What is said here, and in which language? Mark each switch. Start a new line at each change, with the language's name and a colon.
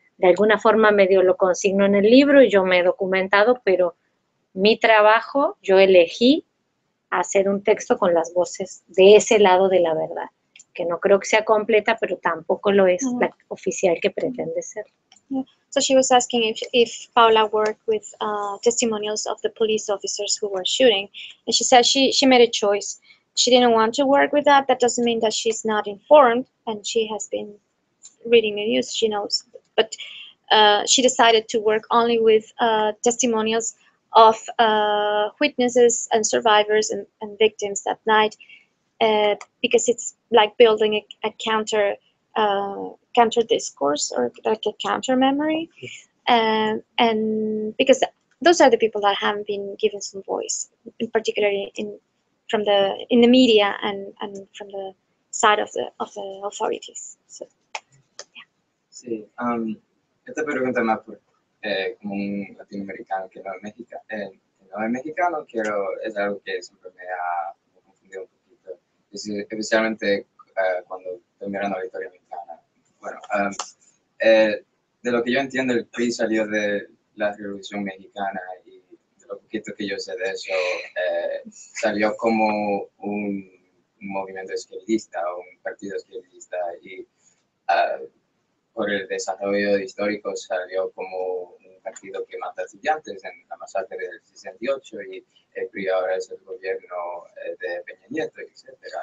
Spanish: De alguna forma medio lo consigno en el libro y yo me he documentado, pero mi trabajo, yo elegí hacer un texto con las voces de ese lado de la verdad, que no creo que sea completa, pero tampoco lo es la oficial que pretende ser.
English: Yeah. So she was asking if Paula worked with testimonials of the police officers who were shooting, and she said she made a choice. She didn't want to work with that. That doesn't mean that she's not informed, and she has been reading the news, she knows. But she decided to work only with testimonials of witnesses and survivors and victims that night, because it's like building a counter discourse, or like a counter memory, and because those are the people that haven't been given some voice, in particularly in the media and from the side of the authorities. So,
Spanish: esta pregunta más por como un latinoamericano que no es mexicano, quiero, es algo que siempre me ha confundido un poquito, especialmente cuando estoy mirando la historia mexicana. Bueno, de lo que yo entiendo, el PRI salió de la Revolución Mexicana, y de lo poquito que yo sé de eso, salió como un movimiento izquierdista, un partido izquierdista, y por el desarrollo histórico salió como un partido que mata a estudiantes en la masacre del 68, y el PRI ahora es el gobierno de Peña Nieto, etc.